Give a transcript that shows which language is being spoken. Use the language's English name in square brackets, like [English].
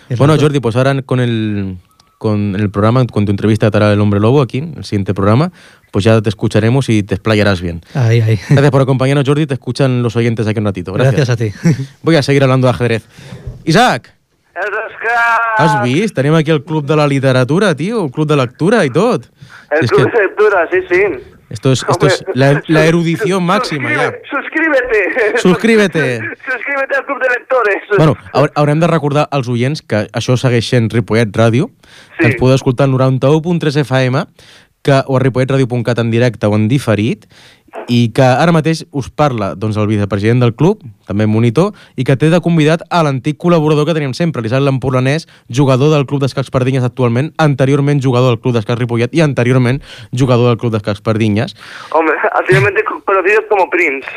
[Spanish] Bueno, Jordi, pues ahora con el programa, con tu entrevista a Taral el Hombre Lobo aquí, el siguiente programa, pues ya te escucharemos y te explayarás bien. Ahí, ahí. Gracias por acompañarnos, Jordi, te escuchan los oyentes aquí un ratito. Gracias a ti. Voy a seguir hablando de ajedrez. ¡Isaac! ¡Eso es crack! [Catalan] ¿Has vist? Tenim aquí el club de la literatura, tío, el club de lectura i tot. El club de lectura, sí, sí. [Spanish] Esto es [Catalan] la erudició màxima, ja. [Spanish] Suscríbete al club de lectores. [Catalan] Bueno, haurem de recordar als oients que això segueix sent Ripollet Ràdio, sí. Ens podeu escoltar al 91.3 FM o a ripolletradio.cat en directe o en diferit, i que ara mateix us parla doncs el vicepresident del club, també monitor, i que té de convidat a l'antic col·laborador que teníem sempre, l'Isaac Lampurlanès, jugador del Club d'Escacs Pardinyes actualment, anteriorment jugador del Club d'Escacs Ripollet i anteriorment jugador del Club d'Escacs Pardinyes. Home, anteriorment [Spanish] conocido como Prince.